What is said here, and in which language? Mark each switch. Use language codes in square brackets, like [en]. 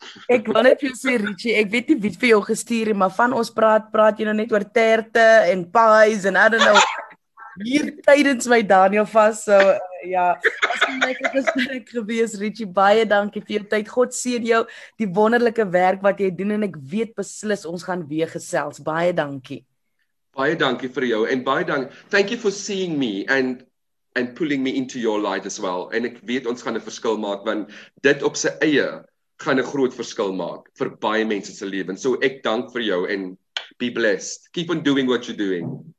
[af] Ek wil net jou sê, Richie, ek weet nie wie vir jou gestuur, maar van ons praat jy nou net oor terte en pies en [en] I don't know. [af] Hier tydens my Daniel vast, so as my lekker gewees, Richie, baie dankie vir jou tyd. God seën jou, die wonderlike werk wat jy doen, en ek weet beslis, ons gaan weer gesels. Baie dankie. Baie dankie vir jou, en baie dankie. [en] Thank you for seeing me, and pulling me into your light as well. [af] En ek weet, ons gaan 'n verskil maak, want dit op sy eie gaan 'n groot verskil maak vir baie mense se lewens. So ek dank vir jou, en [en] be blessed. Keep on doing what you're doing.